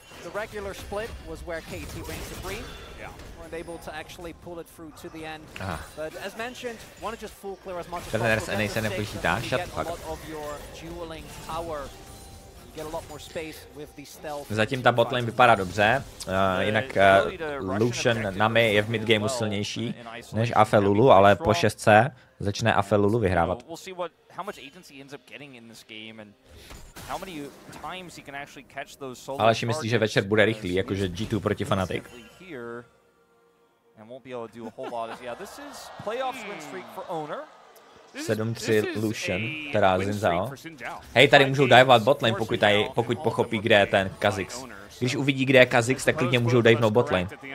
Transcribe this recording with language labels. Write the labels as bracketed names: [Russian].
[English] The regular split was where KT reigned supreme. Yeah. Weren't able to actually pull it through to the end. Ah. But as mentioned, wanted just full clear as much as possible. Then there's an ace and a push to get a lot of your dueling power. Get a lot more space with the stealth. [Czech] Zatím ta botlane vypadá dobře. Jinak Lucian Nami je v midgameu silnější než Afe Lulu, ale po 6C začne Afe Lulu vyhrávat. [English] We'll see what how much agency ends up getting in this game and how many times he can actually catch those solo. [Czech] Ale si myslí, že večer bude rychlý, jakože G2 proti Fnatic. [English] And won't be able to do a whole lot. Yeah, this is playoffs win streak for owner. [Czech] 7-3 Lucian, teda Xin Zhao. Hej, tady můžou divovat botlane, pokud, tady, pokud pochopí, kde je ten Kha'Zix. Když uvidí, kde je Kha'Zix, tak klidně můžou divenout botlane.